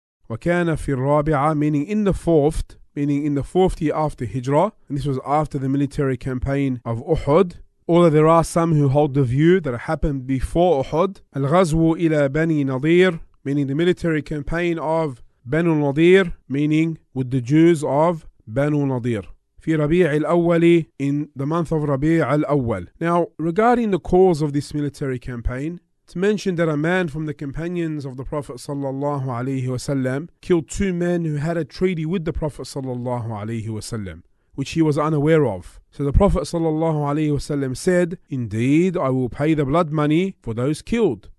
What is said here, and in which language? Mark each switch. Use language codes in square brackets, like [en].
[ar] وَكَانَ فِي الرَّابِعَ, [en] meaning in the fourth, meaning in the fourth year after Hijrah, and this was after the military campaign of Uhud. Although there are some who hold the view that it happened before Uhud, [ar] الْغَزْوُ إِلَى بَنِي [en] Nadir, meaning the military campaign of Banu Nadir, meaning with the Jews of Banu Nadir. [ar] في ربيع الأول, [en] in the month of [ar] ربيع الأول. [en] Now, regarding the cause of this military campaign, it's mentioned that a man from the companions of the Prophet sallallahu alaihi wasallam killed two men who had a treaty with the Prophet sallallahu alaihi wasallam, which he was unaware of. So the Prophet sallallahu alaihi wasallam said, "Indeed, I will pay the blood money for those killed."